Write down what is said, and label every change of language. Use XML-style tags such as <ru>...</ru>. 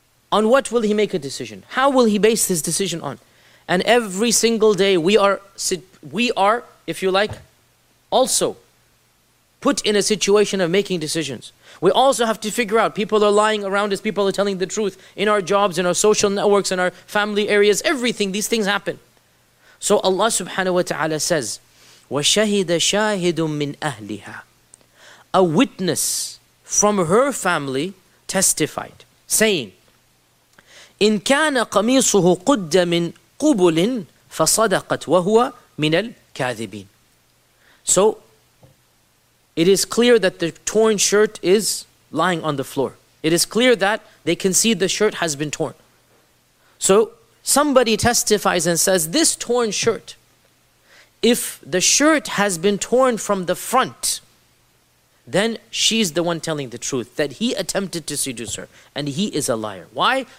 <en>On what will he make a decision? How will he base his decision on? And every single day we are, if you like, also put in a situation of making decisions. We also have to figure out, people are lying around us, people are telling the truth in our jobs, in our social networks, in our family areas, everything, these things happen. So Allah subhanahu wa ta'ala says,</en> <ar>وَشَهِدَ شَاهِدٌ مِّنْ أَهْلِهَا.</ar> <en>A witness from her family testified, saying,</en> <ar>إِن كَانَ قَمِيصُهُ قُدَّ مِنْ قُبُلٍ فَصَدَقَتْ وَهُوَ مِنَ الْكَاذِبِينَ.</ar> <en>So, it is clear that the torn shirt is lying on the floor. It is clear that they can see the shirt has been torn. So, somebody testifies and says, this torn shirt, if the shirt has been torn from the front, then she's the one telling the truth, that he attempted to seduce her, and he is a liar. Why?</en>